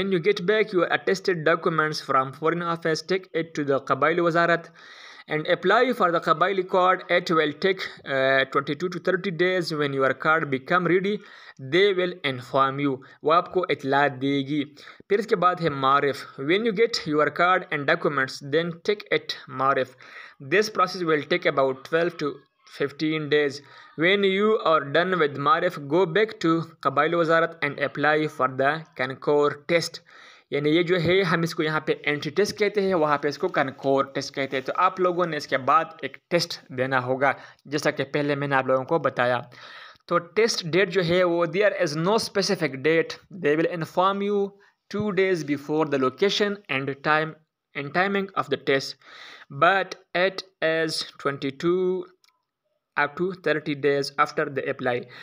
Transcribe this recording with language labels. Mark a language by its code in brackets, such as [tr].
[en] When you get back your attested documents from foreign office, take it to the कबाइली वजारत and apply for the कबाइली card, it will take 22 to 30 days। When your card become ready they will inform you, [hi] वो आपको इतला देगी। फिर इसके बाद है मारिफ, [en] When you get your card and documents then take it मारिफ, this process will take about 12 to 15 days। When you are done with Marif, go back to Qabail Wazarat and apply for the Kankore Test। [hi] यानी ये जो है हम इसको यहाँ पे entry test कहते हैं, वहाँ पे इसको कनकोर टेस्ट कहते हैं। तो आप लोगों ने इसके बाद एक टेस्ट देना होगा, जैसा कि पहले मैंने आप लोगों को बताया। तो टेस्ट डेट जो है वो [en] There is no specific date, they will inform you 2 days before the location and time and timing of the test, but it is 22 to 30 days after the apply।